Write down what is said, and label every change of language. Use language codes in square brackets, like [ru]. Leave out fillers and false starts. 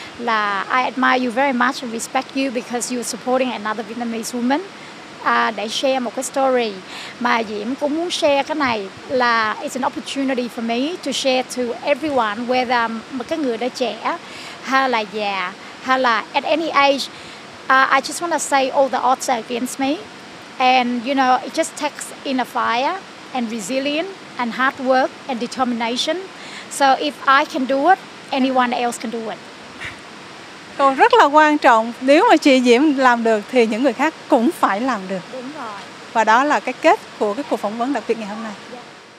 [en] Là I admire you very much and respect you because you're supporting another Vietnamese woman. [vi] Để share một cái story mà Diễm cũng muốn share cái này là it's an opportunity for me to share to everyone, whether cái người đã trẻ hay là già hay là at any age. [en] I just want to say all the odds are against me, and you know it just takes inner fire and resilience and hard work and determination. So if I can do it, anyone else can do it. [vi] Còn rất là quan trọng, nếu mà chị Diễm làm được thì những người khác cũng phải làm được. Đúng rồi. Và đó là cái kết của cái cuộc phỏng vấn đặc biệt ngày hôm nay. Yeah.